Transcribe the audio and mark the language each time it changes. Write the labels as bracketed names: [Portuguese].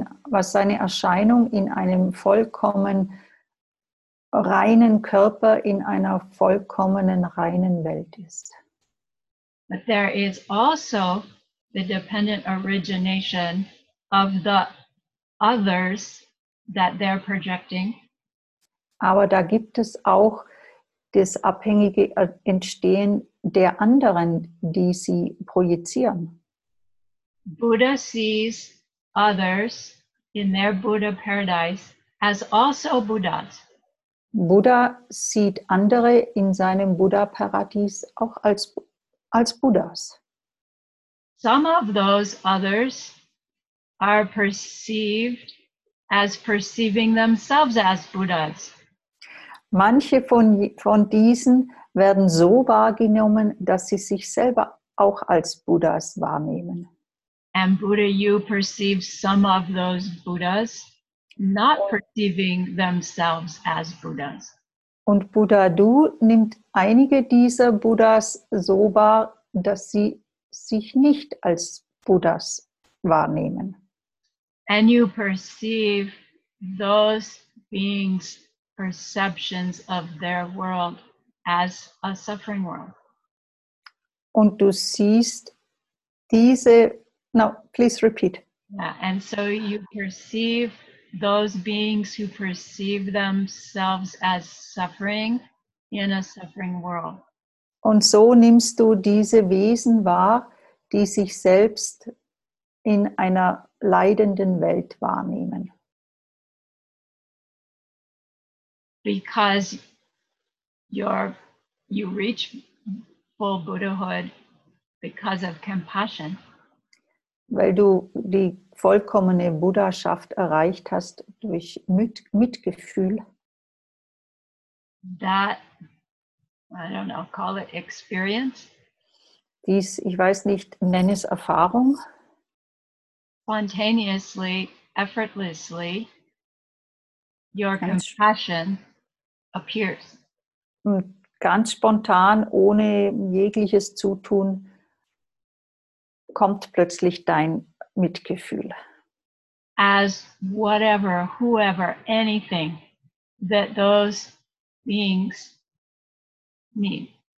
[German] Was seine Erscheinung in einem vollkommen reinen Körper in einer vollkommenen reinen Welt ist. [English] But there is also the dependent origination of the others that they're projecting. [German] Aber da gibt es auch das abhängige Entstehen der anderen, die sie projizieren. [English] Buddha sees others in their Buddha paradise as also Buddhas. [German] Buddha sieht andere in seinem Buddha-Paradies auch als Buddhas. [English] Some of those others are perceived as perceiving themselves as Buddhas. [German] Manche von diesen werden so wahrgenommen, dass sie sich selber auch als Buddhas wahrnehmen. [English] And Buddha, you perceive some of those Buddhas not perceiving themselves as Buddhas. [German] Und Buddha, du nimmt einige dieser Buddhas so wahr, dass sie sich nicht als Buddhas wahrnehmen. [English] And you perceive those beings perceptions of their world as a suffering world. [German] Und du siehst diese, [English] no, please repeat. Yeah, and so you perceive those beings who perceive themselves as suffering in a suffering world. [German] Und so nimmst du diese Wesen wahr, die sich selbst in einer leidenden Welt wahrnehmen. [English] Because you reach full Buddhahood because of compassion. [German] Weil du die vollkommene Buddhaschaft erreicht hast durch Mitgefühl. [English] That, I don't know, call it experience. [German] Dies, ich weiß nicht, nenn es Erfahrung. [English] Spontaneously, effortlessly, your compassion appears. [German] Ganz spontan, ohne jegliches Zutun, kommt plötzlich dein Mitgefühl. [English] As whatever, whoever, anything that those beings need.